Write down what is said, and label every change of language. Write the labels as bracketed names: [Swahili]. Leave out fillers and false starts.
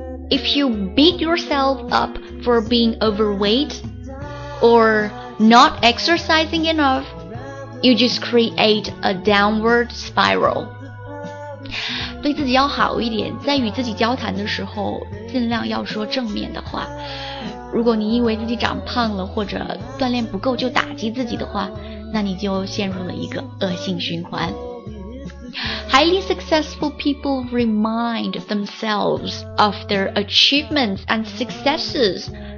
[English] If you beat yourself up for being overweight or not exercising enough, you just create a downward spiral. [Chinese] 对自己要好一点，在与自己交谈的时候，尽量要说正面的话。如果你因为自己长胖了或者锻炼不够就打击自己的话，那你就陷入了一个恶性循环。 [English] Highly successful people remind themselves of their achievements and successes.